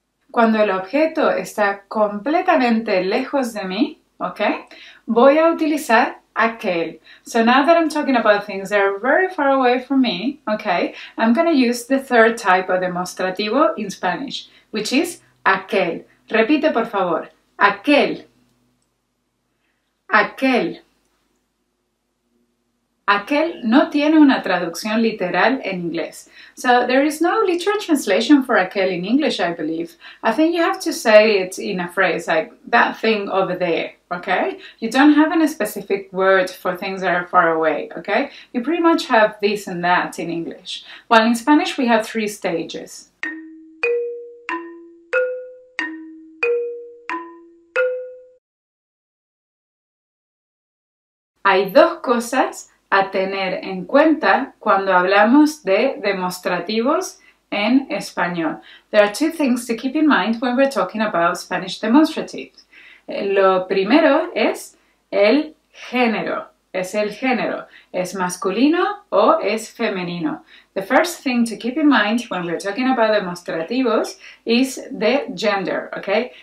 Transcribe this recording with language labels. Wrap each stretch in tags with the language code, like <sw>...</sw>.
<es>Cuando el objeto está completamente lejos de mí, okay, voy a utilizar aquel.</es> <en>So now that I'm talking about things that are very far away from me, okay, I'm going to use the third type of demostrativo in Spanish, which is aquel.</en> <es>Repite, por favor. Aquel. Aquel. Aquel no tiene una traducción literal en inglés.</es> <en>So there is no literal translation for aquel in English, I believe. I think you have to say it in a phrase, like that thing over there, okay? You don't have any specific word for things that are far away, okay? You pretty much have this and that in English. While in Spanish, we have three stages.</en> <es>Hay dos cosas a tener en cuenta cuando hablamos de demostrativos en español.</es> <en>There are two things to keep in mind when we're talking about Spanish demonstratives.</en> <es>Lo primero es el género. Es el género. ¿Es masculino o es femenino?</es> <en>The first thing to keep in mind when we're talking about demostrativos is the gender, okay?</en>